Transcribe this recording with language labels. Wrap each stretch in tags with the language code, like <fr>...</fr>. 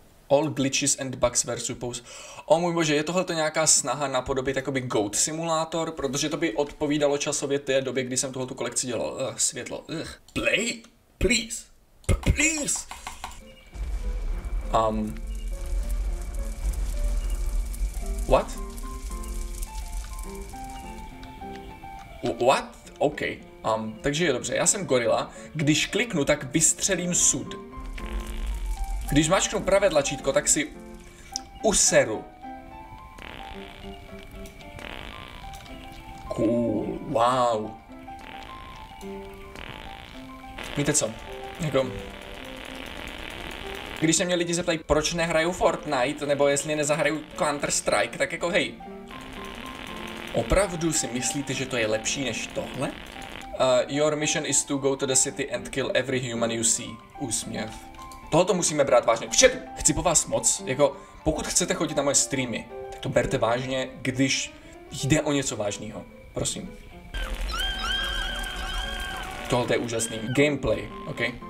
<en>All glitches and bugs were supposed.</en> <cs>O můj bože, je tohle to nějaká snaha napodobit jakoby Goat simulátor, protože to by odpovídalo časově té době, kdy jsem tuhle tu kolekci dělal. Světlo.</cs> <en>Ugh. Play, please. Please. What? What? OK.</en> <cs>Takže je dobře, já jsem gorila. Když kliknu, tak vystřelím sud. Když mačknu pravé tlačítko, tak si useru.</cs> <en>Cool, wow.</en> <cs>Víte co? Jako... Když se mě lidi zeptají, proč nehraju Fortnite, nebo jestli nezahraju Counter-Strike, tak jako hej. Opravdu si myslíte, že to je lepší než tohle?</cs> <en>Your mission is to go to the city and kill every human you see.</en> <cs>Úsměv. Tohoto musíme brát vážně. Všet, chci po vás moc, jako pokud chcete chodit na moje streamy, tak to berte vážně, když jde o něco vážného. Prosím. Tohle je úžasný. Gameplay, ok?</cs>